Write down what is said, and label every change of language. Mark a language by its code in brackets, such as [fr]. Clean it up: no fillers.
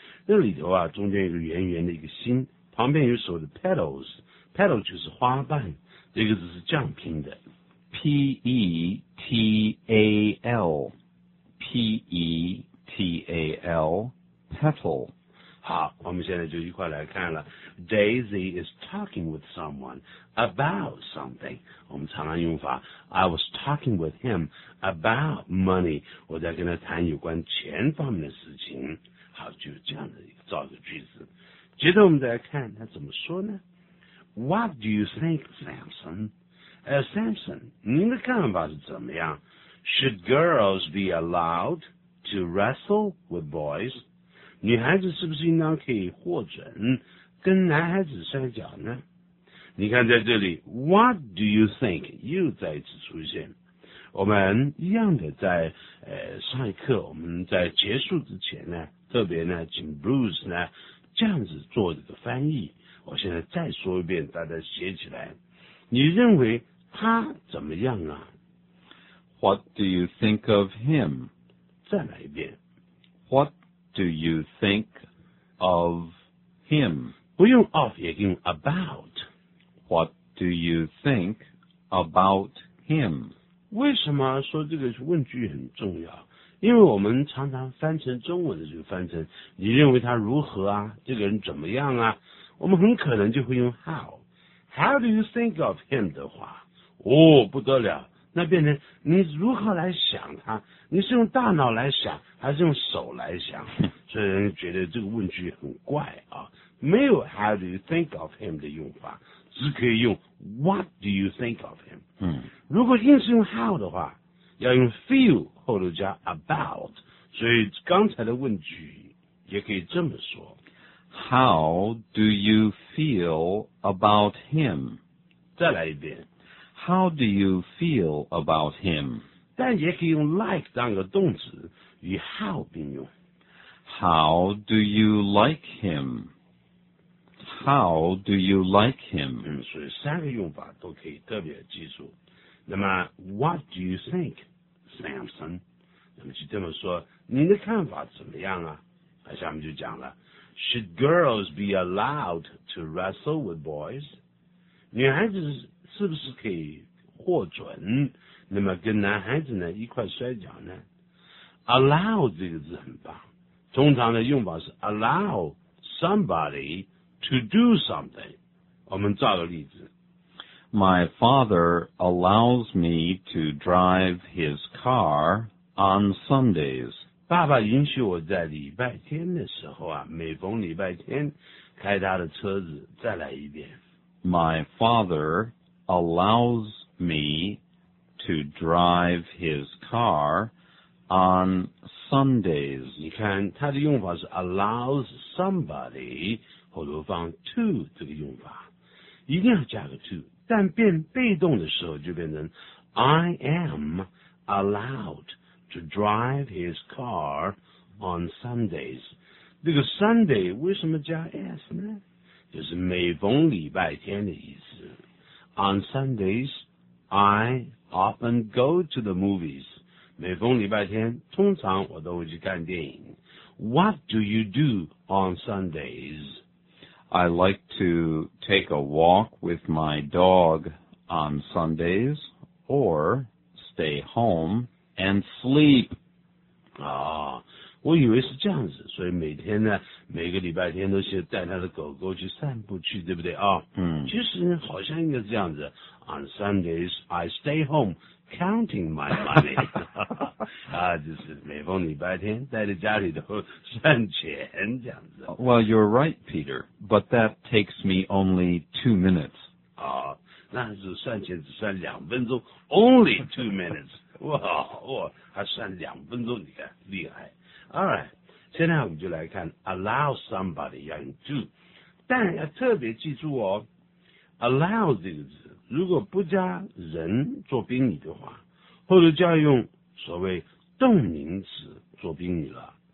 [zh] 那里头啊，中间有个圆圆的一个心，旁边有所谓的 petals，petal 就是花瓣，这个字是这样拼的 [en] ，petal，petal。 [zh] 好，我们现在就一块来看了。 [en] Daisy is talking with someone about something. [zh] 我们常常用法 [en] ，I was talking with him about money. [zh] 我在跟他谈有关钱方面的事情。好，就这样的造一个句子。接着我们再来看他怎么说呢 ？ [en] What do you think, Samson? Samson, [zh] 您的看法是怎么样 [en] ？Should girls be allowed to wrestle with boys? [zh] 女孩子是不是应当可以获准跟男孩子摔跤呢？你看在这里 ， [en] What do you think [zh] 又再次出现。我们一样的在上一课，我们在结束之前呢，特别呢请 Bruce 呢这样子做这个翻译。我现在再说一遍，大家写起来。你认为他怎么样啊 [en] ？What do you think of him？ [zh] 再来一遍 [en] ，What？ Do you think of him? [zh] 不用 of 也用 about. [en] What do you think about him? [zh] 为什么说这个问句很重要？因为我们常常翻成中文的就翻成你认为他如何啊？这个人怎么样啊？我们很可能就会用 how. [en] How do you think of him [zh] 的话，哦，不得了。那变成你如何来想他？你是用大脑来想，还是用手来想？所以人觉得这个问句很怪啊，没有 [en] How do you think of him [zh] 的用法，只可以用 [en] What do you think of him？ [zh] 如果硬是用 How 的话，要用 Feel 后头加 About， 所以刚才的问句也可以这么说 [en] ：How do you feel about him？ [zh] 再来一遍。 [en] How do you feel about him? [zh] 但也可以用 like 当个动词，与 how 并用。 [en] How do you like him? How do you like him? [zh] 所以三个用法都可以特别记住。 [en] 那么 what do you think, Samson? [zh] 那么就这么说，你的看法怎么样啊？那下面就讲了 [en] ，Should girls be allowed to wrestle with boys? [zh] 女孩子。是不是可以获准，那么跟男孩子呢一块摔跤呢 allow 这个字很棒，通常的用法是 [en] allow somebody to do something。 [zh] 我们造个例子， [en] My father allows me to drive his car on Sundays。 [zh] 爸爸允许我在礼拜天的时候啊，每逢礼拜天开他的车子。再来一遍。 [en] My father allows me to drive his car on Sundays. [zh] 你看他的用法是 allows somebody, 后头放 to 这个用法。一定要加个 to, 但变被动的时候就变成 [en] I am allowed to drive his car on Sundays. [zh] 这个 Sunday 为什么加 S 呢？就是每逢礼拜天的意思。 [en] On Sundays, I often go to the movies. [zh] 每逢礼拜天，通常我都会去看电影。 [en] What do you do on Sundays? I like to take a walk with my dog on Sundays, or stay home and sleep. [zh] 啊、oh. 我以为是这样子，所以每天呢，每个礼拜天都是带他的狗狗去散步去，对不对啊？嗯，其实好像应该是这样子。 [en] On Sundays, I stay home counting my money. [zh] 啊，就是每逢礼拜天带着家里头算钱这样子。 [en] Well, you're right, Peter, but that takes me only 2 minutes. [zh] 啊，那是算钱只算两分钟 ， [en] only 2 minutes. [zh] 哇，哇，还算两分钟，你看厉害。 [en] All right, [zh] 现在我们就来看 allow somebody 要用 do, 但要特别记住哦 allow 这个字如果不加人做宾语的话，或者就要用所谓动名词做宾语了。